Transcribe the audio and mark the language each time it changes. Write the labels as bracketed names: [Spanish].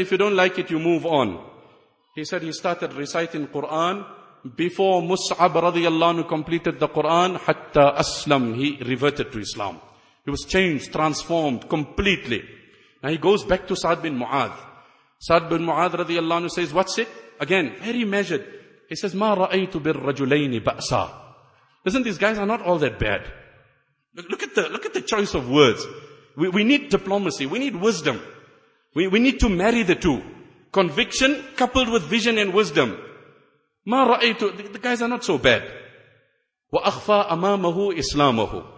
[English] If you don't like it, you move on. He said he started reciting Quran before Mus'ab radiallahu anhu completed the Quran. [Arabic] Hatta aslam. [English] He reverted to Islam. He was changed, transformed completely. Now he goes back to Sa'd bin Mu'adh. Sa'd bin Mu'adh radiallahu anhu says, what's it? Again, very measured. [Arabic] He says, مَا رَأَيْتُ بِالرَّجُلَيْنِ بَأْسًا. [English] Listen, these guys are not all that bad. Look at the choice of words. We need diplomacy. We need wisdom. We need to marry the two. Conviction coupled with vision and wisdom. [Arabic] مَا رَأَيْتُ. [English] The guys are not so bad. [Arabic] وَأَخْفَى أَمَامَهُ إِسْلَامَهُ.